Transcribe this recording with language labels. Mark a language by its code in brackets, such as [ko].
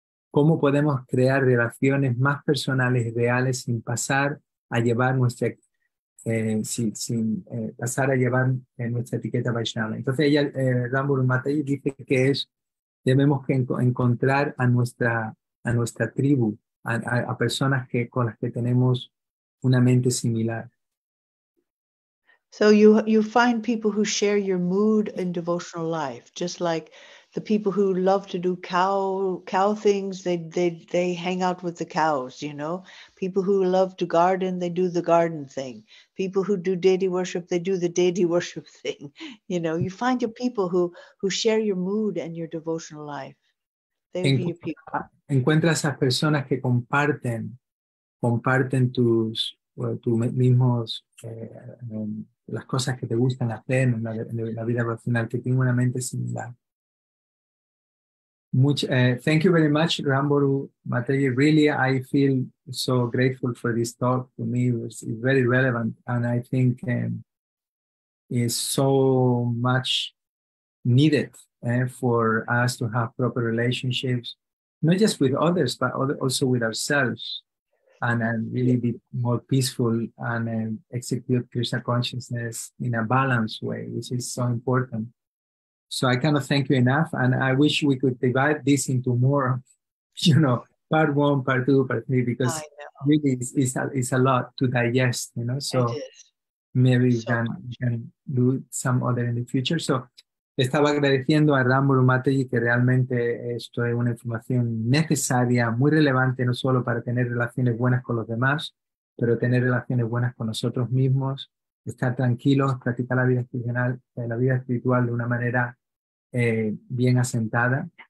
[es] ¿Cómo podemos crear relaciones más personales y reales sin pasar a llevar nuestra etiqueta Vaishnava? Entonces ella, Rambur Matei, dice que es, debemos que encontrar a nuestra tribu, a personas que, con las que tenemos una mente similar. [en] So you find people who share your mood in devotional life, just like the people who love to do cow things, they hang out with the cows, you know. People who love to garden, they do the garden thing. People who do deity worship, they do the deity worship thing. You know, you find your people who share your mood and your devotional life. They be your people. [es] Encuentra esas personas que comparten tus mismos las cosas que te gustan hacer en la vida profesional, que tienen una mente similar. [en] Thank you very much, Ramboru Mateji. Really, I feel so grateful for this talk. To me, it's very relevant, and I think it's so much needed for us to have proper relationships, not just with others, but also with ourselves. And really be more peaceful and execute Krishna consciousness in a balanced way, which is so important. So I cannot thank you enough, and I wish we could divide this into more, you know, part one, part two, part three, because really it's a lot to digest, you know. So maybe we can do some other in the future. [es] So estaba agradeciendo a Rambur Mateji que realmente esto es una información necesaria, muy relevante, no solo para tener relaciones buenas con los demás, pero tener relaciones buenas con nosotros mismos, estar tranquilos, practicar la vida espiritual de una manera bien asentada.